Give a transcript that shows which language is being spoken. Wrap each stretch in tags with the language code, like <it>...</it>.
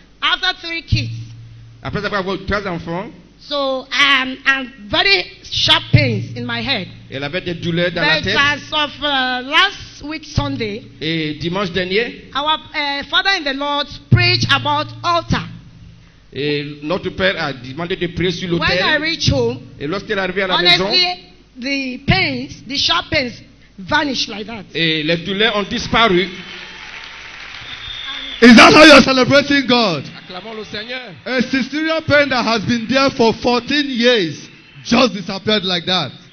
<en>After 3 kids.</en> <fr>Après avoir eu 3 enfants.</fr> <en>So, I'm very sharp pains in my head.</en> <fr>Elle avait des douleurs dans</fr> <en>but</en> <fr>la tête.</fr> <en>As of last week Sunday,</en> <fr>et dimanche dernier,</fr> <en>our father in the Lord preached about altar.</en> <fr>Et notre père a demandé de prier sur l'autel.</fr> <en>When I reached home,</en> <fr>et lorsqu'elle est arrivée à la</fr> <en>honestly,</en> <fr>maison,</fr> <en>the pains, the sharp pains vanished like that.</en> <fr>Et les douleurs ont disparu.</fr> <en>Is that how you're celebrating God?</en> <fr>Acclamons le Seigneur.</fr> <en>A cesarean pain that has been there for 14 years just disappeared like that.</en>